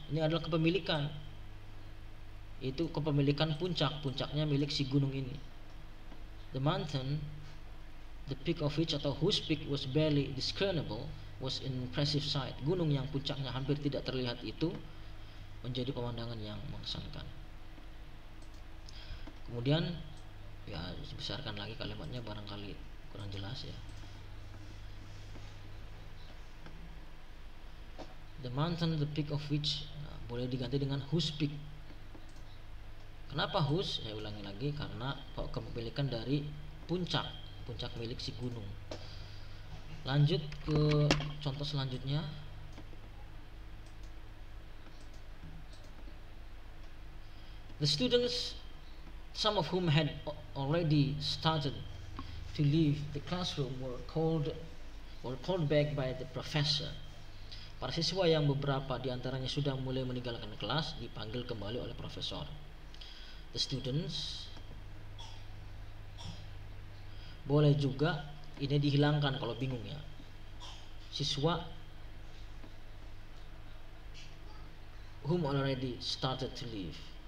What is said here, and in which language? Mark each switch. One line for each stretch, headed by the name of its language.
Indonesian: Ini adalah kepemilikan. Itu kepemilikan puncak, puncaknya milik si gunung ini.
English: The mountain, the peak of which atau whose peak was barely discernible, was an impressive sight.
Indonesian: Gunung yang puncaknya hampir tidak terlihat itu menjadi pemandangan yang mengesankan. Kemudian ya, dibesarkan lagi kalimatnya, barangkali kurang jelas ya.
English: The mountain, the peak of which,
Indonesian: nah, boleh diganti dengan
English: whose peak.
Indonesian: Kenapa
English: whose?
Indonesian: Saya ulangi lagi, karena kepemilikan dari puncak, puncak milik si gunung. Lanjut ke contoh selanjutnya.
English: The students, some of whom had already started to leave the classroom, were called back by the professor.
Indonesian: Para siswa yang beberapa di antaranya sudah mulai meninggalkan kelas dipanggil kembali oleh profesor.
English: The students,
Indonesian: boleh juga ini dihilangkan kalau bingung ya.
English: Siswa whom already started to leave.